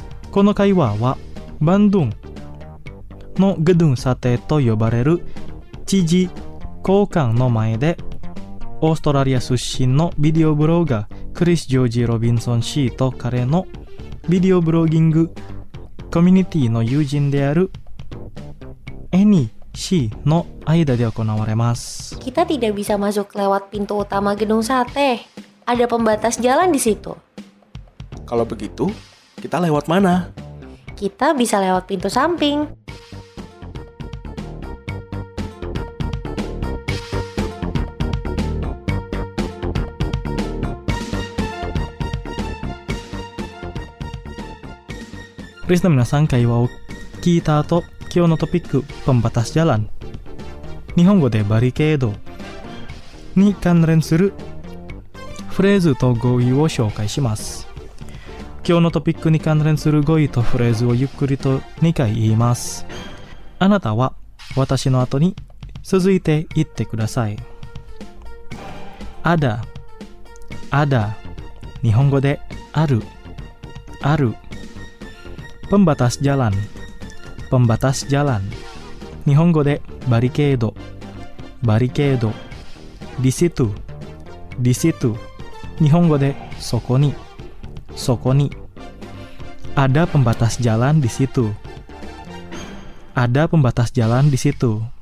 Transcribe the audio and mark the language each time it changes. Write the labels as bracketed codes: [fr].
[ja] この会話はバンドゥンのグドゥンサテと呼ばれる知事交換の前で、オーストラリア出身のビデオブロガークリス・ジョージ・ロビンソン氏と彼のビデオブロギングコミュニティの友人であるエニー氏の間で行われます。 [id] Kita tidak bisa masuk lewat pintu utama gedung sate. Ada pembatas jalan di situ. Kalau begitu, kita lewat mana? Kita bisa lewat pintu samping. [ja] リスナー皆さん、会話を聞いた後、今日のトピック、コンバタスジャラン、日本語でバリケードに関連するフレーズと語彙を紹介します。今日のトピックに関連する語彙とフレーズをゆっくりと2回言います。あなたは私の後に続いて言ってください。 [id] あだ、あだ、 [ja] 日本語である、ある。 [id] Pembatas jalan, pembatas jalan. [ja] Nihongo de barikedo, barikedo. [id] Di situ, di situ. [ja] Nihongo de sokoni, sokoni. [id] Ada pembatas jalan di situ. Ada pembatas jalan di situ.